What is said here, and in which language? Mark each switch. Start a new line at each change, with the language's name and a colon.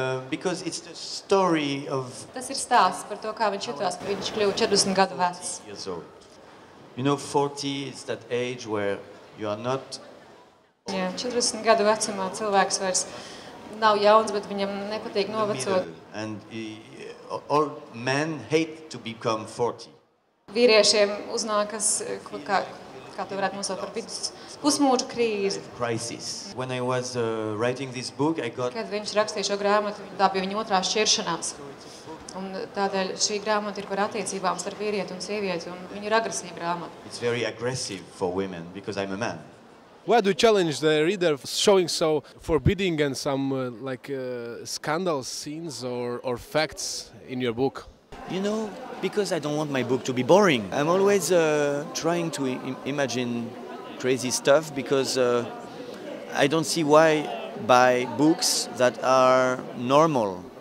English: Because it's the story of
Latvian: Tas ir stāsts par to, kā viņš jutās, kad viņš kļuva 40 gadu vecs.
English: You know 40 is that age where you are not
Latvian: Jā, 40 gadu vecumā cilvēks vairs nav jauns, bet viņam nepatīk novecot.
English: And all men hate to become 40.
Latvian: Vīriešiem uznākas, kā tu varētu nosaukt par pusmūža krīzi.
English: Crisis. When I was writing this book, I got
Latvian: Kad viņš rakstīja šo grāmatu, tā bija viņa otrā šķiršanās. Un tādēļ šī grāmata ir par attiecībām starp vīrieti un sievieti, un viņa ir agresīva grāmata.
English: It's very aggressive for women because I'm a man. Why do you challenge the reader showing so forbidding and some scandal scenes or facts in your book? You know, because I don't want my book to be boring. I'm always trying to imagine crazy stuff because I don't see why buy books that are normal.